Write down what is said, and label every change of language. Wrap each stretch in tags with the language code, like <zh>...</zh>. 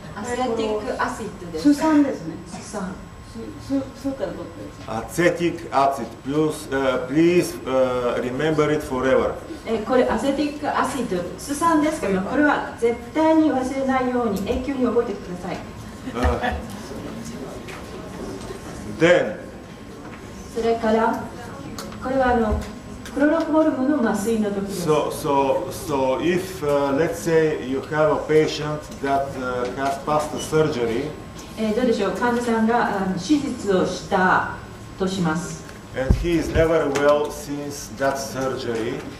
<ja>アセティックアシッドです。スサンですね。スサン。スから取ってです。アセティックアシッド。</ja> <en>Please remember it forever.</en> <ja>これアセティックアシッド、スサンですけど、これは絶対に忘れないように永久に覚えてください。</ja> <en>then,</en> <ja>それからこれはクロロフォルムの麻酔の時です。</ja> <en>So if let's say you have a patient that has passed the surgery,</en> <ja>どうでしょう、患者さんが手術をしたとします。</ja> <en>And he is never well since that surgery.</en>